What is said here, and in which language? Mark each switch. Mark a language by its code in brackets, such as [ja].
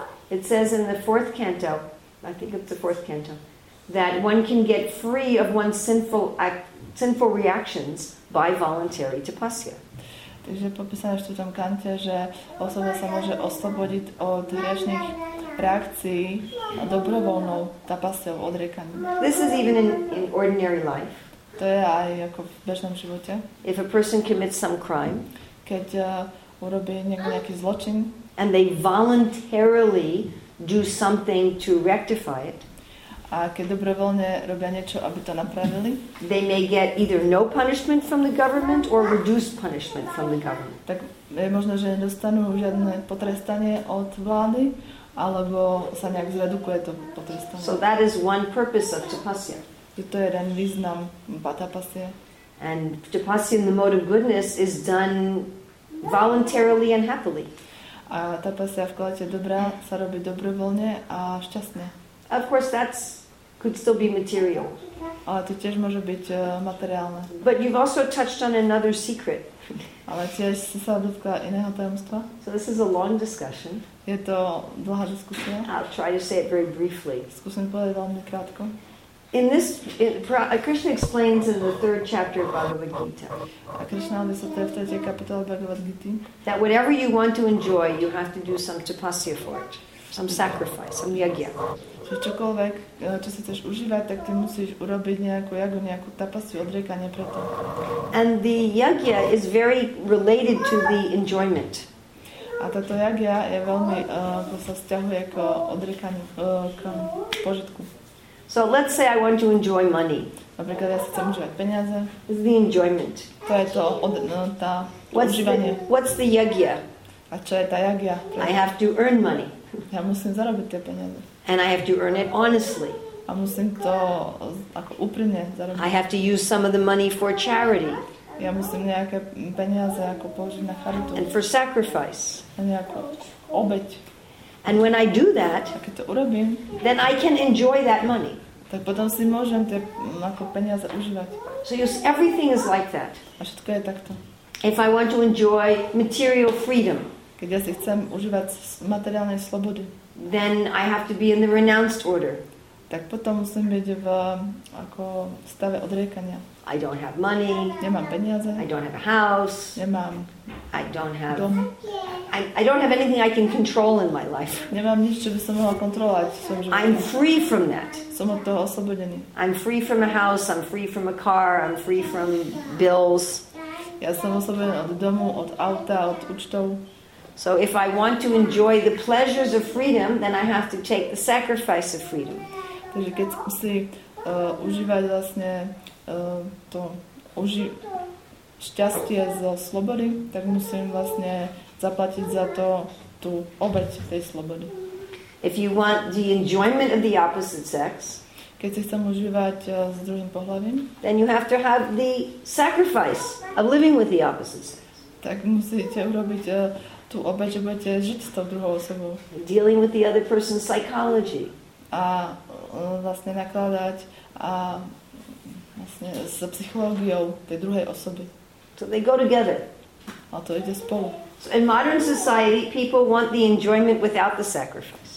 [en] It says in the fourth canto, I think it's the fourth canto, that one can get free of one's sinful reactions by voluntary tapasya. [sk] Takže popísané v štvrtom kante, že osoba sa môže oslobodiť od hriešnych reakcií dobrovoľnou tapasyou, odriekaním. [en] This is even in ordinary life. [sk] To je aj ako v bežnom živote. [en] If a person commits some crime, [sk] keď urobí nejaký zločin, [en] and they voluntarily do something to rectify it, [sk] a keď dobrovoľne robia niečo, aby to napravili, [en] they may get either no punishment from the government or reduced punishment from the government. [sk] Tak je možno, že nedostanú žiadne potrestanie od vlády, alebo sa nejak zredukuje to potrestanie. [en] So that is one purpose of tapasya. [sk] To je jeden význam tapasya. [en] And tapasya in the mode of goodness is done voluntarily and happily. [sk] A tapasya v kvalite dobra sa robí dobrovoľne a šťastne. [en] Of course that's could still be material. [sk] Ale to tiež môže byť materiálne. [en] But you've also touched on another secret. [sk] Ale tiež si sa dotkla iného tajomstva. [en] So this is a long discussion. [sk] Je to dlhá diskusia. [en] I'll try to say it very briefly. [sk] Skúsim povedať veľmi krátko. [en] In this, Krishna explains in the third chapter of Bhagavad Gita. [sk] A Krishna vysa to je v tretej kapitole Bhagavad Gita. [en] That whatever you want to enjoy, you have to do some tapasya for it. Some sacrifice, some yagya. [sk] Čo čokoľvek, čo si chceš užívať, tak ty musíš urobiť nejakú jagu, nejakú tapasyu, odriekanie pre to. [en] And the yagya is very related to the enjoyment. [sk] A táto yagya je veľmi, to sa vzťahuje k odriekaniu, k požitku. [en] So let's say I want to enjoy money. [sk] Napríklad, ja si chcem užívať peniaze. [en] It's the enjoyment. [sk] To je to, tá užívanie. [en] What's the yagya? [sk] A čo je tá yagya? [en] I have to earn money. [sk] Ja musím zarobiť tie peniaze. [en] And I have to earn it honestly. [sk] A musím to ako úprimne zarobiť. [en] I have to use some of the money for charity. [sk] Ja musím nejaké peniaze ako použiť na charitu. [en] And for sacrifice. [sk] A nejakú obeť. [en] And when I do that, [sk] urobím, [en] then I can enjoy that money. [sk] Tak potom si môžem tie ako peniaze užívať. [en] So yes, everything is like that. [sk] A všetko je takto. [en] If I want to enjoy material freedom, [sk] keď ja si chcem užívať materiálnej slobody, [en] then I have to be in the renounced order. [sk] Tak potom musím byť v ako stave odriekania. [en] I don't have money. [sk] Nemám peniaze. [en] I don't have a house. [sk] Nemám. [en] I don't have [sk] dom. [en] I don't have anything I can control in my life. [sk] Nemám nič, čo by som mohla kontrolovať. [en] I'm free from that. [sk] Som od toho oslobodený. [en] I'm free from a house, I'm free from a car, I'm free from bills. [sk] Ja som oslobodený od domu, od auta, od účtov. [en] So if I want to enjoy the pleasures of freedom, then I have to take the sacrifice of freedom. [sk] Takže keď si užívať vlastne to šťastie zo slobody, tak musím vlastne zaplatiť za to tú obeť tej slobody. [en] If you want the enjoyment of the opposite sex, [sk] keď si chcem užívať s druhým pohlavím, [en] then you have to have the sacrifice of living with the opposite sex. [sk] Tak musíte urobiť tú obeť, že budete žiť s tou druhou osobou. [en] Dealing with the other person's psychology. [sk] A vlastne nakladať a vlastne s psychológiou tej druhej osoby. [en] So they go together. [sk] A to ide spolu. [en] So in modern society, people want the enjoyment without the sacrifice.